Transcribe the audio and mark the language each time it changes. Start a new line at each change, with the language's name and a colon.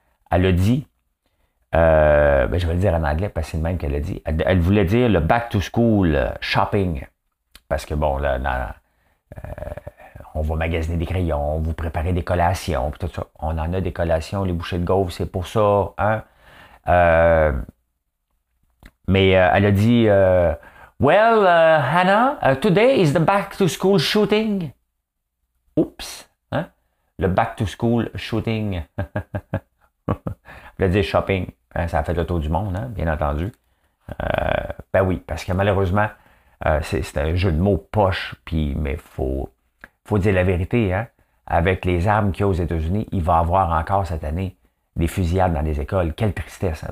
French: Elle a dit, je vais le dire en anglais parce que c'est le même qu'elle a dit. Elle voulait dire le
English: back to school shopping.
French: Parce que bon, là, on va magasiner des crayons, vous préparez des collations, puis tout ça. On en a des collations, les bouchées de gaufre, c'est pour ça, hein? Mais elle a dit,
English: Hannah, today is the back to school shooting.
French: Oups, hein?
English: Le back to school shooting.
French: Je voulais dire shopping, hein? Ça a fait le tour du monde, hein? Bien entendu. Ben oui, parce que malheureusement, c'est un jeu de mots poche, puis mais faut dire la vérité, hein? Avec les armes qu'il y a aux États-Unis, il va y avoir encore cette année des fusillades dans les écoles. Quelle tristesse! Hein?